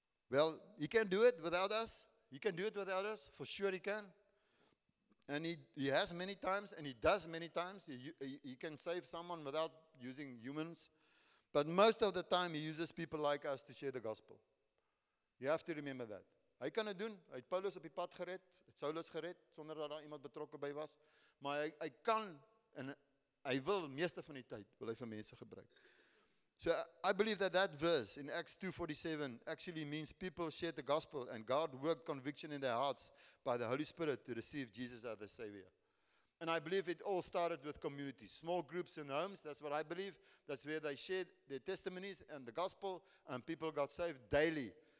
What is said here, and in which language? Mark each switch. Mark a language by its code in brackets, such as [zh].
[en] Well, he can do it without us. He can do it without us, for sure he can. And he has many times, and he does many times. He can save someone without using humans. But most of the time, he uses people like us to share the gospel. You have to remember that. [af] Hy kan dit doen, hy het Paulus op die pad gered, het Saulus gered, sonder dat daar iemand betrokke by was, maar hy kan, en hy wil, meeste van die tyd, wil hy vir mense gebruik. [en] So, I believe that verse in Acts 2:47 actually means people shared the gospel and God worked conviction in their hearts by the Holy Spirit to receive Jesus as the Savior. And I believe it all started with communities, small groups and homes, that's what I believe, that's where they shared their testimonies and the gospel and people got saved daily.